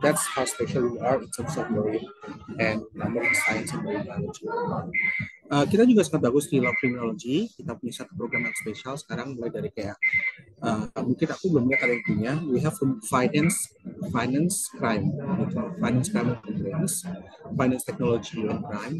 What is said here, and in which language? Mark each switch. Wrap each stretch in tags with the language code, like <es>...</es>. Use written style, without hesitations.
<en>That's how special we are in terms of marine and marine science and marine biology.</en> <id>Kita juga sangat bagus di law criminology. Kita punya satu program yang spesial sekarang mulai dari kayak mungkin aku belum lihat ada intinya.</id> <en>We have from finance crime, gitu. Finance crime and compliance, finance technology and crime.</en>